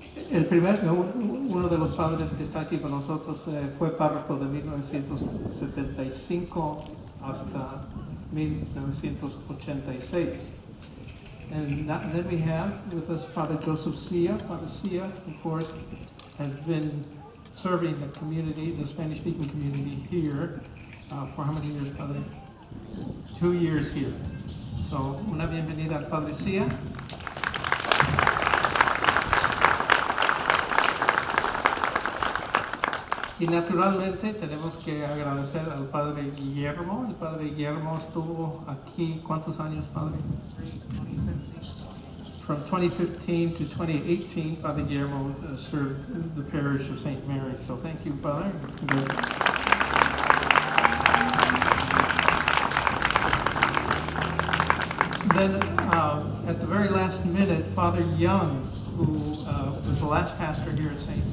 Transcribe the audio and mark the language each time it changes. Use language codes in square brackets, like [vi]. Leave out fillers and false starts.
[es] El primer, uno de los padres que está aquí con nosotros fue párroco de 1975 hasta 1986. [en] And then we have with us Father Joseph Sia. Father Sia, of course, has been serving the community, the Spanish-speaking community here for how many years, Father? 2 years here. So, una bienvenida al Padre Sia. [es] Y naturalmente tenemos que agradecer al Padre Guillermo. El Padre Guillermo estuvo aquí, ¿cuántos años, Padre? [en] From 2015 to 2018, Father Guillermo served the parish of St. Mary. So thank you, Father. Then at the very last minute, Father Young, who was the last pastor here at St.